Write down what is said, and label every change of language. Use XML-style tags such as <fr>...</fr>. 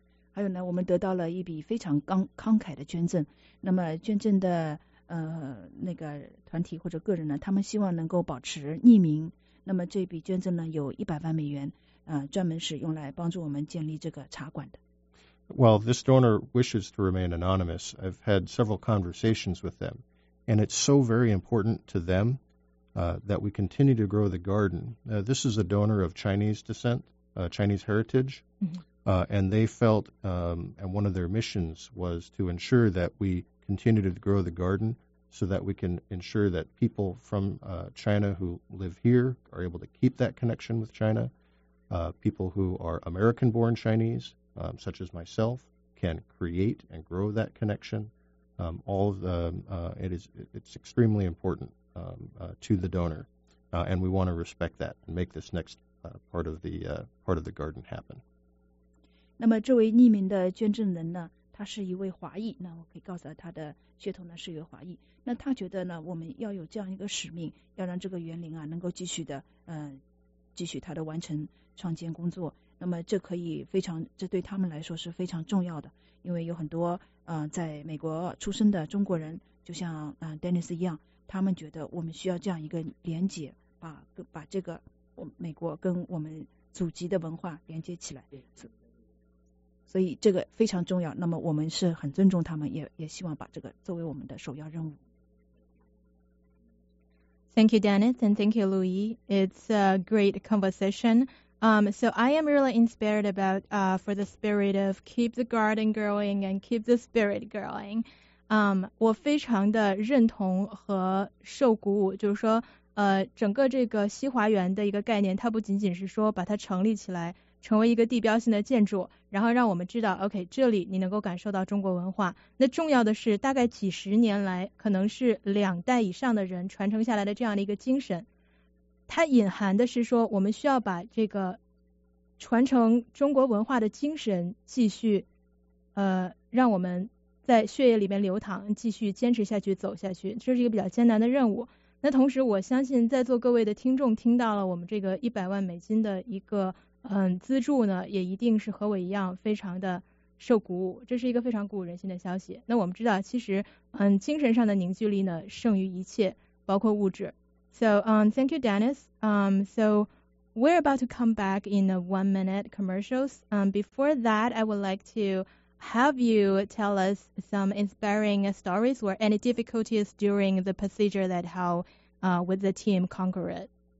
<zh>还有呢，我们得到了一笔非常慷慨的捐赠。那么捐赠的那个团体或者个人呢，他们希望能够保持匿名。那么这笔捐赠呢，有$100,000，专门是用来帮助我们建立这个茶馆的。</zh> <en>Well, this donor wishes to remain anonymous. I've had several conversations with them, and it's so very important to them that we continue to grow the garden. This is a donor of Chinese descent, Chinese heritage, and they felt, and one of their missions was to ensure that we continue to grow the garden so that we can ensure that people from China who live here are able to keep that connection with China, people who are American-born Chinese,such as myself, can create and grow that connection. It's extremely important to the donor, and we want to respect that and make this next part of the garden happen.</en> <zh>那么这位匿名的捐赠人呢，他是一位华裔，那我可以告诉他的血统呢是一个华裔。那他觉得呢，我们要有这样一个使命，要让这个园林啊能够继续的继续他的完成创建工作。那么这可以非常，这对他们来说是非常重要的，因为有很多在美国出生的中国人，就像Dennis 一样，他们觉得我们需要这样一个连接，把这个美国跟我们祖籍的文化连接起来，所以这个非常重要。那么我们是很尊重他们，也希望把这个作为我们的首要任务。</zh> <en>Thank you, Dennis, and thank you, Louis. It's a great conversation. So I am really inspired about for the spirit of keep the garden growing and keep the spirit growing.</en> <zh>我非常的认同和受鼓舞，就是说整个这个西华园的一个概念，它不仅仅是说把它成立起来成为一个地标性的建筑，然后让我们知道 OK 这里你能够感受到中国文化，那重要的是大概几十年来可能是两代以上的人传承下来的这样的一个精神，它隐含的是说我们需要把这个传承中国文化的精神继续让我们在血液里面流淌，继续坚持下去走下去，这是一个比较艰难的任务。那同时我相信在座各位的听众听到了我们这个$100,000的一个资助呢，也一定是和我一样非常的受鼓舞，这是一个非常鼓舞人心的消息。那我们知道其实精神上的凝聚力呢胜于一切，包括物质。</zh> <en>So, thank you, Dennis. So we're about to come back in the 1 minute commercials. Before that, I would like to have you tell us some inspiring stories or any difficulties during the procedure that how with the team conquer it.</en>